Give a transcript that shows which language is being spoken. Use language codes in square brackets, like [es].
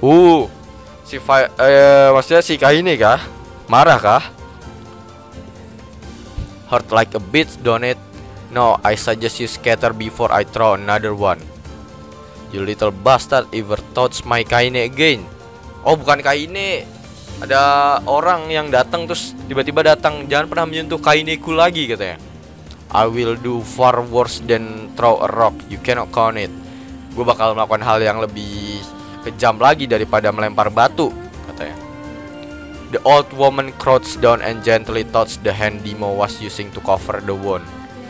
[id] Maksudnya si Kaine kah? Marah kah? [en] Hurt like a bitch, don't it? No, I suggest you scatter before I throw another one. You little bastard ever touch my Kaine again. [id] Oh, bukan Kaine. Ada orang yang datang terus tiba-tiba datang. Jangan pernah menyentuh Kaineku lagi, katanya. [en] I will do far worse than throw a rock. You cannot count it. [id] Gua bakal melakukan hal yang lebih kejam lagi daripada melempar batu, katanya. [en] The old woman crouched down and gently touched the hand Demo was using to cover the wound.